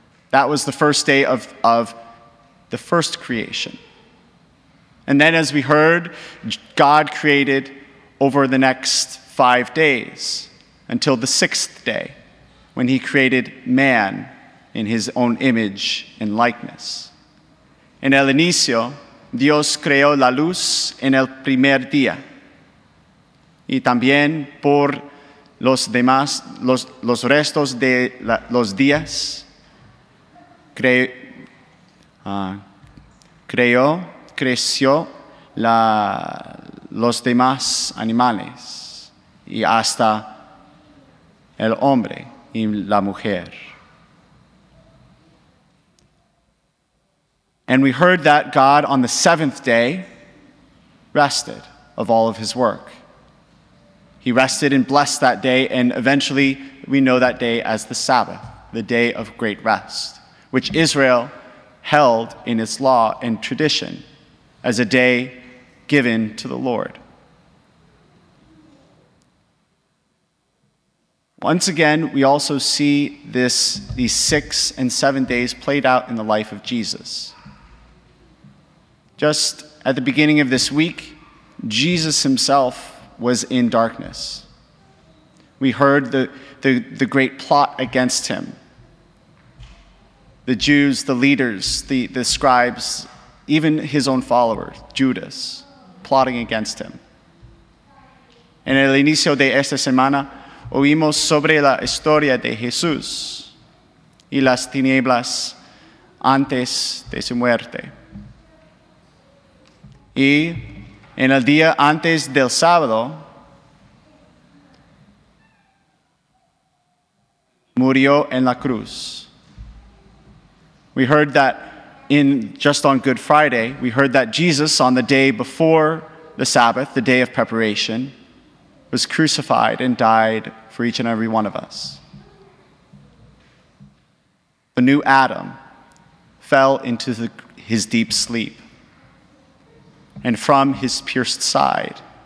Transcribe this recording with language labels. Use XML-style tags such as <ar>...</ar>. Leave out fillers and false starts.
<en>That was the first day of the first creation. And then as we heard, God created over the next 5 days until the sixth day when he created man in his own image and likeness.</en> <es>En el inicio, Dios creó la luz en el primer día. Y también por los demás, los restos de los días, creció los demás animales y hasta el hombre y la mujer.</es> <en>And we heard that God on the seventh day rested of all of his work. He rested and blessed that day, and eventually we know that day as the Sabbath, the day of great rest, which Israel held in its law and tradition as a day given to the Lord. Once again, we also see these 6 and 7 days played out in the life of Jesus. Just at the beginning of this week, Jesus himself was in darkness. We heard the great plot against him. The Jews, the leaders, the scribes, even his own follower, Judas, plotting against him.</en> <es>En el inicio de esta semana, oímos sobre la historia de Jesús y las tinieblas antes de su muerte. Y en el día antes del sábado, murió en la cruz.</es> <en>We heard that on Good Friday, we heard that Jesus, on the day before the Sabbath, the day of preparation, was crucified and died for each and every one of us. The new Adam fell into his deep sleep. And from his pierced side,</en>